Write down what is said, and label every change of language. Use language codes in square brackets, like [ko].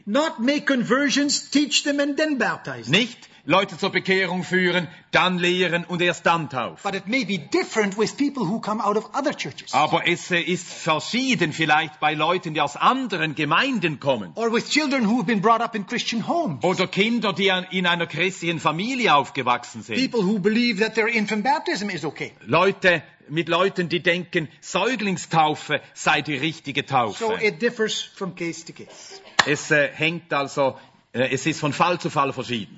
[en] Not make conversions, teach them and then baptize them. [de] Nicht Leute zur Bekehrung führen, dann lehren und erst dann taufen. [en] But it may be different with people who come out of other churches. [de] Aber es ist verschieden vielleicht bei Leuten, die aus anderen Gemeinden kommen. [en] Or with children who have been brought up in Christian homes. [de] Oder Kinder, die in einer christlichen Familie aufgewachsen sind. [en] People who believe that their infant baptism is okay. [de] Leute mit Leuten, die denken, Säuglingstaufe sei die richtige Taufe. [en] So it differs from case to case. [de] Es hängt also, es ist von Fall zu Fall verschieden.